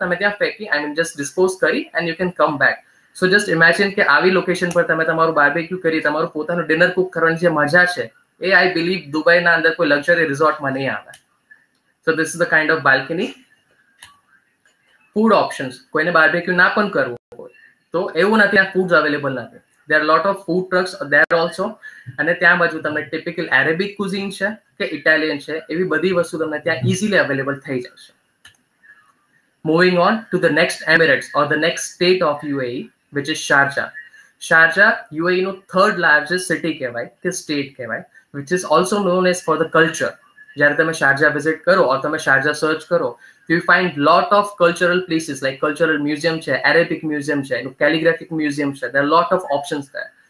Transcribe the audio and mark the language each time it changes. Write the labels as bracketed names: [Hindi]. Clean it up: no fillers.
[Gujarati] તમે ત્યાં ફેંકી, [English] I mean just dispose [Gujarati] કરી [English] And you can come back. So just imagine [Gujarati] કે આવી લોકેશન પર તમે તમારું બાર્બેક્યુ કરી તમારું પોતાનું ડિનર કુક કરવાની જે મજા છે એ [English] I believe [Gujarati] દુબઈના અંદર કોઈ લક્ઝરી રિઝોર્ટમાં નહીં આવે. [English] So this is the kind of balcony. [Gujarati] Food options, કોઈને બાર્બેક્યુ ના પણ કરવું હોય તો એવું નથી, આ ફૂડ અવેલેબલ નથી. [English] There are a lot of food trucks there also. [Gujarati] And ત્યાં બાજુ તમને [English] typical Arabic cuisine [Gujarati] છે કે Italian છે એવી બધી વસ્તુ તમને ત્યાં [English] easily available [Gujarati] થઈ જશે. [English] Moving on to the next Emirates or the next state of UAE, which is Sharjah. Sharjah, UAE નો third largest city [Gujarati] કહેવાય કે [English] state કહેવાય, which is also known as for the culture. [Gujarati] જ્યારે તમે [English] Sharjah visit કરો or [Gujarati] તમે Sharjah search કરો, [English] you find lot of cultural places like cultural museum che, Arabic museum che, calligraphic museum che, there are lot of options there.